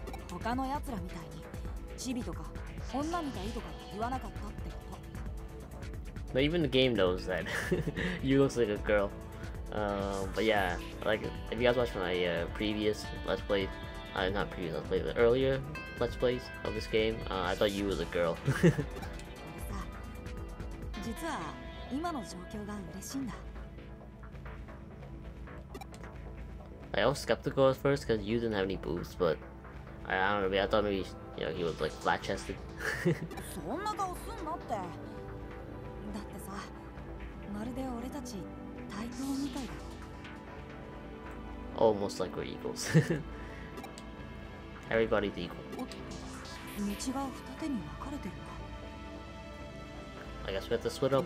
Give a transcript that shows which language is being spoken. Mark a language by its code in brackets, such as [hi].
[ja] 他の奴らみたいにチビとか女みたいとか言わなかったってこと。 [en] No, even the game knows that. You look like a girl. But yeah, like, if you guys watched my previous Let's Play, not previous Let's Play, the earlier Let's Plays of this game, I thought you was a girl. [ja] 実は今の状況が嬉しいんだ。 [en] I was skeptical at first because you didn't have any boobs, but I don't know, I thought maybe, you know, he was like flat chested. [ja] そんな顔すんなって。だってさ、まるで俺たち対等みたいだ。 [en] Almost like we're equals. Everybody's equal. [ja] 道が二手に分かれてる [en] か。I guess we have to split up.